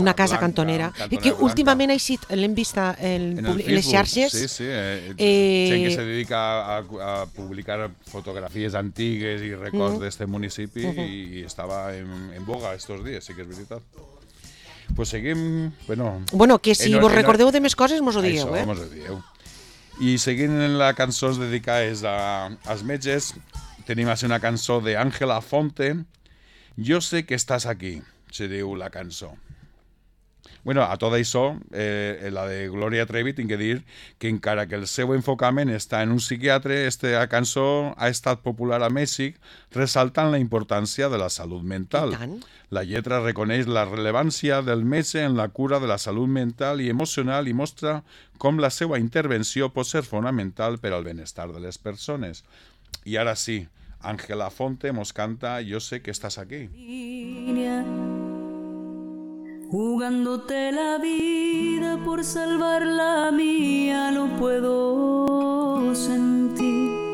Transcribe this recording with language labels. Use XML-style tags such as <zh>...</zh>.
<es>Una casa blanca, cantonera. Y que blanca. Últimamente</es> <ca>l'hem vista en les xarxes.</ca> <es>Sí, sí. Que se dedica a publicar fotografías antiguas y records de este municipio y estaba en boga estos días, sí que es verdad. Pues seguimos, bueno...</es> <ca>Bueno, que si vos recordeu de més coses, mos ho digueu.</ca> <es>Eso,</es> <ca>mos ho digueu.</ca> <es>Y seguimos en la</es> <ca>cançons dedicades</ca> <es>a los metges. Tenemos una canción de Ángela Fonte. Yo sé que estás aquí, se diu la canción. Bueno, a todo eso, la de Gloria Trevi, tengo que decir que</es> <ca>encara que el seu enfocament está en un psiquiatre, este cançó ha estat popular a Mèxic, resaltant la importància de la salut mental. La lletra reconeix la rellevància del metge en la cura de la salut mental i emocional i mostra com la seva intervenció pot ser fonamental per al benestar de les persones. I ara sí, Ángela Fonte mos canta Yo sé que estás aquí.</ca> <es>Jugándote la vida por salvar la mía, lo puedo sentir.</es>